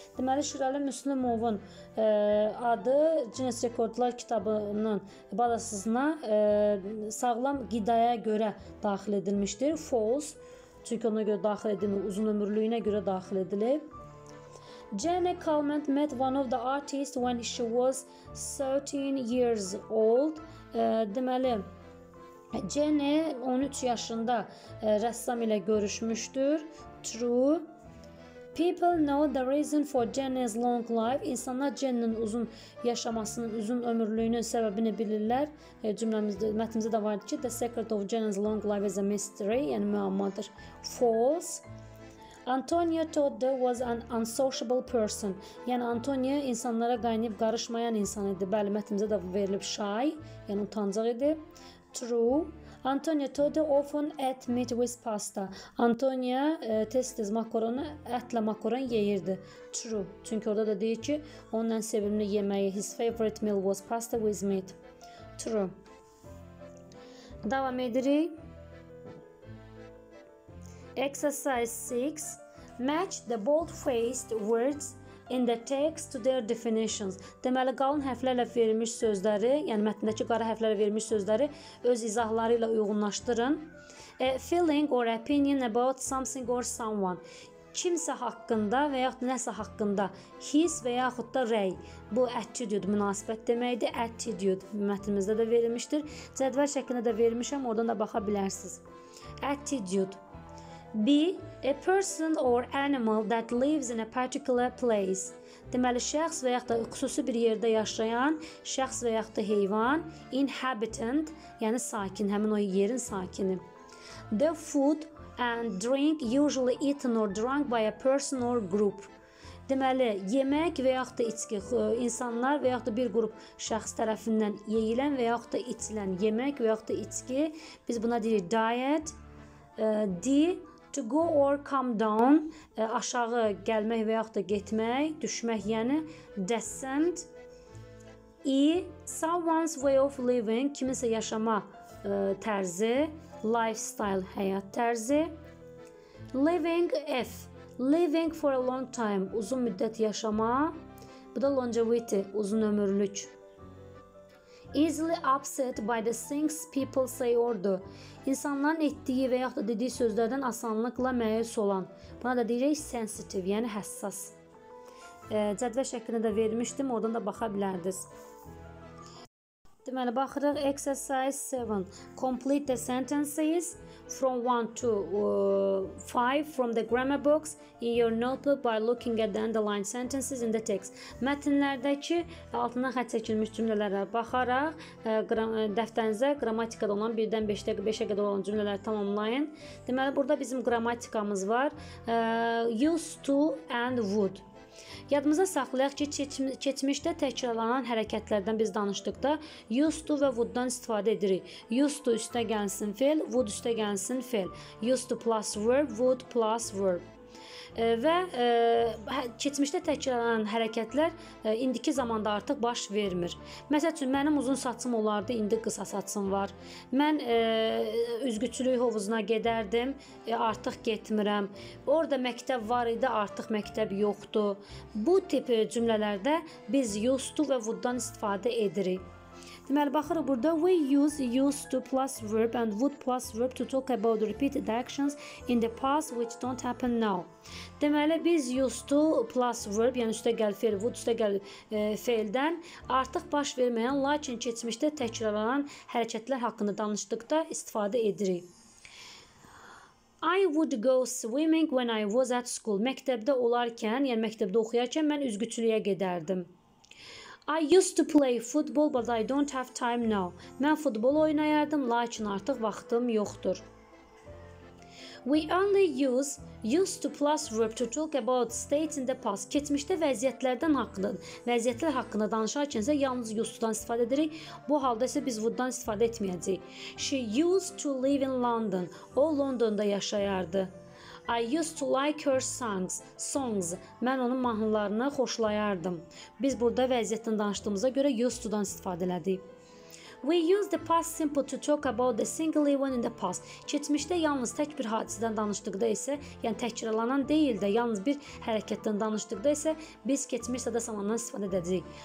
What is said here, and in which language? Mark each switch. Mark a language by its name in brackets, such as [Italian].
[Azerbaijani] Deməli, Şirəli Müslümovun adı Guinness Rekordlar kitabının bazasına sağlam qidaya görə daxil edilmişdir. [English] False. [Azerbaijani] Çünki ona görə daxil edilmir, uzun ömürlüyünə görə daxil edilib. [English] Jenny Calment met one of the artists when she was 13 years old. [Azerbaijani] Deməli, Jenny 13 yaşında rəssam ilə görüşmüşdür. [English] True. People know the reason for Jenny's long life. [Azerbaijani] İnsanlar Jenny'nin uzun yaşamasının, uzun ömürlüyünün səbəbini bilirlər. Cümləmizdə, mətnimizdə də vardı ki, [English] the secret of Jenny's long life is a mystery, [Azerbaijani] yəni müəmmadır. [English] False. Antonia Todde was an unsociable person. [Azerbaijani] Yəni, Antonia insanlara qaynayıb qarışmayan insan idi. Bəli, mətnimizdə də verilib shy, yəni utancaq idi. [English] True. Antonia Todde often ate meat with pasta. [Azerbaijani] Antonia tez-tez makaronu ətlə makaron yeyirdi. [English] True. [Azerbaijani] Çünki orada da deyir ki, onun ən sevimli yeməyi, [English] his favorite meal was pasta with meat. True. [Azerbaijani] Davam edirik. [English] Exercise 6. Match the bold-faced words in the text to their definitions. [Azerbaijani] Deməli, qalın hərflərlə verilmiş sözləri, yəni mətnindəki qara hərflərlə verilmiş sözləri öz izahları ilə uyğunlaşdırın. [English] A feeling or opinion about something or someone. [Azerbaijani] Kimsə haqqında və yaxud nəsə haqqında his və yaxud da rəy. Bu attitude münasibət deməkdir. Attitude mətnimizdə də verilmişdir. Cədvəl şəklində də vermişəm, oradan da baxa bilərsiniz. [English] Attitude. B. A person or animal that lives in a particular place. [Azerbaijani] Deməli, şəxs və yaxud da xüsusi bir yerdə yaşayan, şəxs və yaxud da heyvan, inhabitant, yəni sakin, həmin o yerin sakini. [English] The food and drink usually eaten or drunk by a person or group. [Azerbaijani] Deməli, yemək və yaxud da içki, insanlar və yaxud da bir qrup şəxs tərəfindən yeyilən və yaxud da içilən yemək və yaxud da içki, biz buna deyirik diet. D. [English] To go or come down, [Azerbaijani] aşağı gəlmək və yaxud da getmək, düşmək, yəni descend. E. [English] Someone's way of living, [Azerbaijani] kiminsə yaşama tərzi, lifestyle, həyat tərzi. [English] Living, F. Living for a long time, [Azerbaijani] uzun müddət yaşama. Bu da longevity, uzun ömürlük. [English] Easily upset by the things people say or do. [Azerbaijani] İnsanların etdiyi və yaxud da dediyi sözlərdən asanlıqla məyus olan. Buna da deyirək sensitive, yəni həssas. Cədvəl şəklində də vermişdim, oradan da baxa bilərdiniz. Deməli, baxırıq. [English] Exercise 7. Complete the sentences from 1 to 5 from the grammar box in your notebook by looking at the underlined sentences in the text. [Azerbaijani] Mətnlərdəki altından xətt çəkilmiş cümlələrə baxaraq, dəftərinizə qrammatikada olan 1-dən 5-ə qədər olan cümlələri tamamlayın. Deməli, burada bizim qrammatikamız var. [English] Used to and would. [Azerbaijani] Yadımıza saxlayaq ki, keçmişdə təkrarlanan hərəkətlərdən biz danışdıqda used to və would-dan istifadə edirik. Used to üstə gəlsin fail, would üstə gəlsin fail. [English] Used to plus verb, would plus verb. [Azerbaijani] Və keçmişdə təkrarlanan hərəkətlər indiki zamanda artıq baş vermir. Məsəl üçün, mənim uzun saçım olardı, indi qısa saçım var. Mən üzgüçülük hovuzuna gedərdim, artıq getmirəm. Orada məktəb var idi, artıq məktəb yoxdur. Bu tip cümlələrdə biz used to və would-dan istifadə edirik. Deməli, baxırıq burada, [English] we use used to plus verb and would plus verb to talk about repeated actions in the past which don't happen now. [Azerbaijani] Deməli, biz used to plus verb, yəni üstə gəl fail, would üstə gəl faildən artıq baş verməyən, lakin keçmişdə təkrarlanan hərəkətlər haqqında danışdıqda istifadə edirik. [English] I would go swimming when I was at school. [Azerbaijani] Məktəbdə olarkən, yəni məktəbdə oxuyarkən mən üzgüçülüyə gedərdim. [English] I used to play football, but I don't have time now. [Azerbaijani] Mən futbol oynayardım, lakin artıq vaxtım yoxdur. [English] We only use used to plus verb to talk about states in the past. [Azerbaijani] Keçmişdə vəziyyətlər haqqında danışarkən isə yalnız used to-dan istifadə edirik. Bu halda isə biz would-dan istifadə etməyəcəyik. [English] She used to live in London. [Azerbaijani] O, Londonda yaşayardı. [English] I used to like her songs. [Azerbaijani] Mən onun mahnılarını xoşlayardım. Biz burada vəziyyətdən danışdığımıza görə used to-dan istifadə elədik. [English] We use the past simple to talk about the single event in the past. [Azerbaijani] Keçmişdə yalnız tək bir hadisədən danışdıqda isə, yəni təkrarlanan deyil də, yalnız bir hərəkətdən danışdıqda isə, biz keçmiş sadə zamandan istifadə edəcəyik.